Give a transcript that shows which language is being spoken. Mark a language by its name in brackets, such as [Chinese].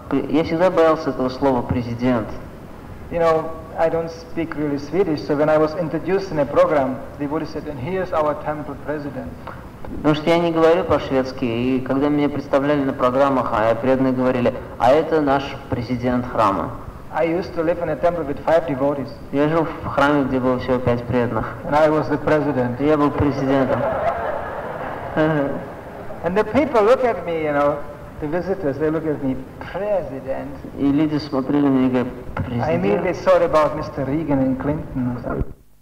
[Russian] Я всегда боялся этого слова президент. [English] You know, I don't speak really Swedish, so when I was introduced in a program, the Buddha said, and here's our temple president. [Russian] Потому что я не говорю по-шведски, и когда меня представляли на программах, а преданные говорили, а это наш президент храма. [English] I used to live in a temple with 5 devotees. [Russian] Я жил в храме, где было всего 5 преданных. [English] And I was the president. [Russian] Я был президентом. [English] And the people look at me, you know, the visitors, they look at me, president. [Russian] И люди смотрели на меня, говорят, президент. [English] I immediately thought about Mr. Reagan and Clinton or something.